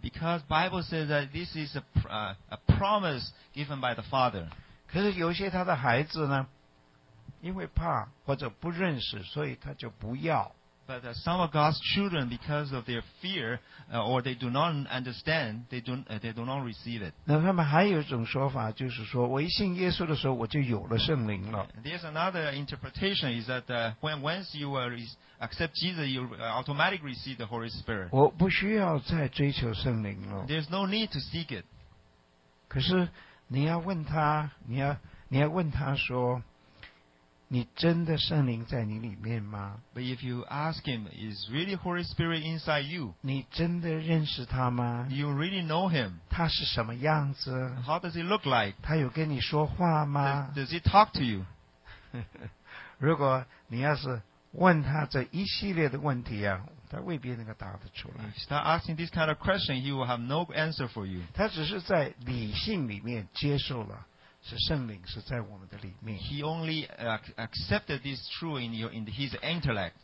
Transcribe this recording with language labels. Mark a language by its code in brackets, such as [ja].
[en] because Bible says that this is a promise given by the Father. [zh] 可是有些他的孩子呢，因为怕或者不认识，所以他就不要。 [en] But some of God's children, because of their fear, or they do not understand, they do not receive it. [zh] 那他们还有一种说法，就是说我一信耶稣的时候，我就有了圣灵了。 [en] There's another interpretation is that once you accept Jesus, you automatically receive the Holy Spirit. [zh] 我不需要再追求圣灵了。 [en] There's no need to seek it. [zh] 可是你要问他，你要问他说，你真的圣灵在你里面吗？ [en] But if you ask him, is really Holy Spirit inside you? [zh] 你真的认识他吗？ [en] You really know him? [zh] 他是什么样子？ [en] How does he look like? [zh] 他有跟你说话吗？ [en] Does he talk to you? [zh] 如果你要是问他这一系列的问题啊，他未必能够答得出来。 [en] If you start asking this kind of question, he will have no answer for you. [zh] 他只是在理性里面接受了。是圣灵是在我们的里面。 [en] He only accepted this truth in your, in his intellect.